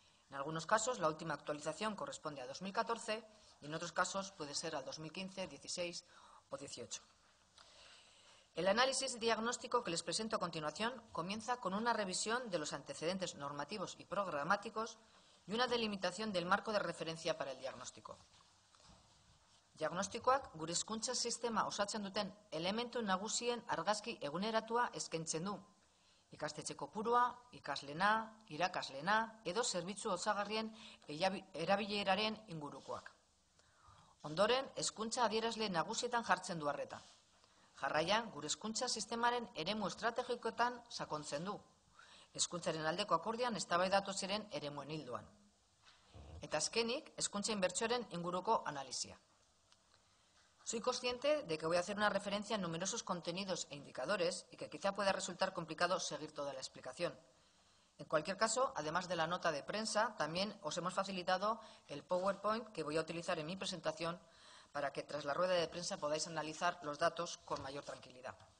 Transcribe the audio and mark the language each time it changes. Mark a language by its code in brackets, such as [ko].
[es] En algunos casos, la última actualización corresponde a 2014 y en otros casos puede ser al 2015, 16 o 18. El análisis diagnóstico que les presento a continuación comienza con una revisión de los antecedentes normativos y programáticos y una delimitación del marco de referencia para el diagnóstico. [eu] Diagnostikoak gure hezkuntza sistema osatzen duten elementu nagusien argazki eguneratua eskaintzen du. Ikastetxe kopurua, ikaslena, irakaslena edo zerbitzu osagarrien erabileraren ingurukoak. Ondoren, hezkuntza adierazle nagusietan jartzen du arreta. Jarraian, gure hezkuntza sistemaren eremu estrategikoetan sakontzen du. Hezkuntzaren aldeko akordian eztabaidatu ziren eremuen ilduan. Eta azkenik, hezkuntza inbertsioaren inguruko analisia. [es] Soy consciente de que voy a hacer una referencia a numerosos contenidos e indicadores y que quizá pueda resultar complicado seguir toda la explicación. En cualquier caso, además de la nota de prensa, también os hemos facilitado el PowerPoint que voy a utilizar en mi presentación para que tras la rueda de prensa podáis analizar los datos con mayor tranquilidad.